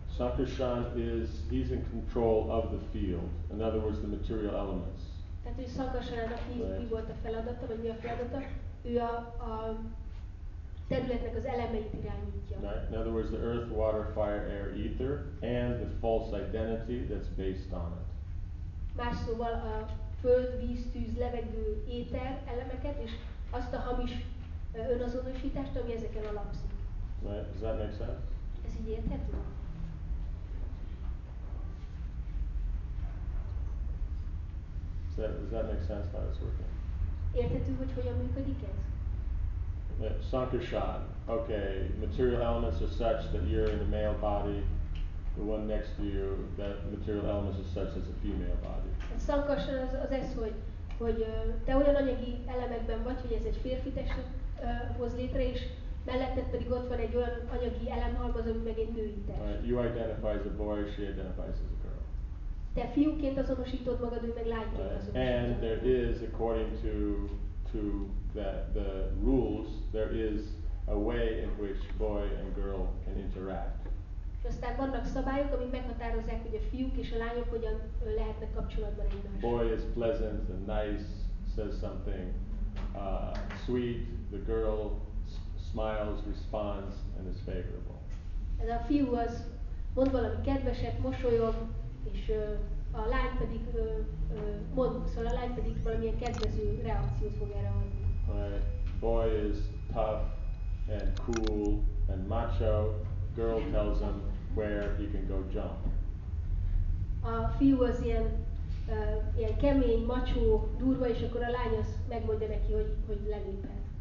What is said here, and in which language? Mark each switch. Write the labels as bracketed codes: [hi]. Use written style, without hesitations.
[en] Sankarshan is, he's in control of the field. In other words, the material elements. [hu] Tehát, hogy Sankarshanának mi volt a feladata, vagy mi a feladata? Ő a területnek az elemeit irányítja. [en] Right. In other words, the earth, water, fire, air, ether, and the false identity that's based on it. [hu] Más szóval a föld, víz, tűz, levegő, éter elemeket, és azt a hamis önazonosítást, ami ezeken alapszik. [en] Right. Does that make sense? [hu] Ez így érthető? [en] Does that make sense how it's working? [hu] Érthető, hogy hogyan működik ez? [en] Sankarshan. Okay, material elements are such that you're in the male body, the one next to you, that material elements are such as a female body. [hu] Sankarshan az ez, hogy te olyan anyagi elemekben vagy, hogy ez egy férfi testet hoz létre, és melletted pedig ott van egy olyan anyagi elemhalmaz, ami meg egy női test. [en] You identify as a boy, she identifies as a girl. [hu] Te fiúként azonosítod magad, ő meg lányként azonosítod. [en] And there is, according to the rules, there is a way in which boy and girl can interact. [hu] És aztán vannak szabályok, amik meghatározzák, hogy a fiúk és a lányok hogyan lehetnek kapcsolatban egymással. [en] Boy is pleasant and nice, says something sweet, the girl smiles, responds, and is favorable. [hu] Ez a fiú az mond valami kedveset, mosolyog, és a lány pedig mond, szóval a lány pedig valamilyen kedvező reakciót fog erre adni. [en] Right. Boy is tough and cool and macho. Girl tells him where he can go jump. [hu] A fiú az ilyen kemény, macho, durva, és akkor a lány az megmondja neki, hogy leléphet.